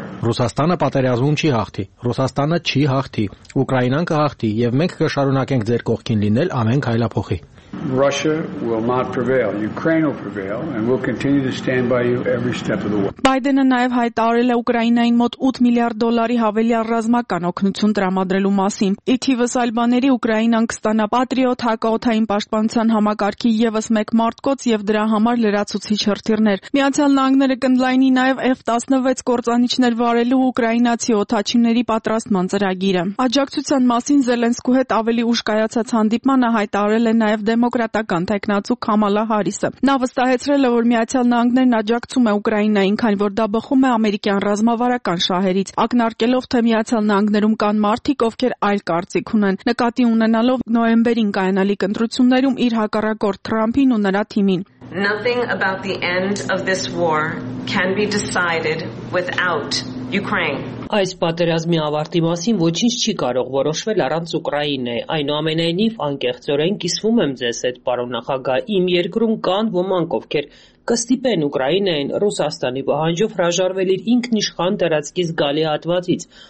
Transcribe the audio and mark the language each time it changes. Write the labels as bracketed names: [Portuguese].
[Armenian] Ռուսաստանը պատերազմում չի հաղթի։ Ռուսաստանը չի հաղթի։ Ուկրաինան կհաղթի, և մենք կշարունակենք ձեր կողքին լինել ամեն քայլափոխի։ [English] Russia will not prevail. Ukraine will prevail and we'll continue to stand by you every step of the way. [Armenian] Բայդենը նաև հայտարարել է Ուկրաինային մոտ 8 միլիարդ դոլարի հավելյալ ռազմական օգնություն տրամադրելու մասին։ Ի թիվս ալբաների Ուկրաինան կստանա Patriot հակաօդային պաշտպանության համակարգի եւս 1 մարտկոց եւ դրա համար լրացուցիչ հրթիռներ։ Միացյալ Նահանգները կընդլայնի նաև F-16 կործանիչներ վարելու Ուկրաինացի օդաչիների պատրաստման ծրագիրը։ Աջակցության մասին Զելենսկու հետ ավելի ուշ կայացած հանդիպմանը հայտարարել է նաև դեմոկրատական թեկնածու Քամալա Հարիսը։ Նա վստահեցրել է, որ Միացյալ Նահանգներն աջակցում է Ուկրաինային, քանի որ դա բխում է ամերիկյան ռազմավարական շահերից, ակնարկելով, թե Միացյալ Նահանգներում կան մարդիկ, ովքեր այլ կարծիք ունեն, նկատի ունենալով նոյեմբերին կայանալիք ընտրություններում իր հակառակորդ Թրամփին ու նրա թիմին։ [English] Nothing about the end of this war can be decided without Ukraine. [Armenian] Այս պատերազմի ավարտի մասին ոչինչ չի կարող որոշվել առանց Ուկրաինայի։ Այնուամենայնիվ, անկեղծորեն կիսվում եմ ձեզ հետ, պարոն նախագահ, իմ երկրում կան ոմանք, ովքեր կստիպեն Ուկրաինային Ռուսաստանի պահանջով հրաժարվել իր ինքնիշխան տարածքի զգալի հատվածից,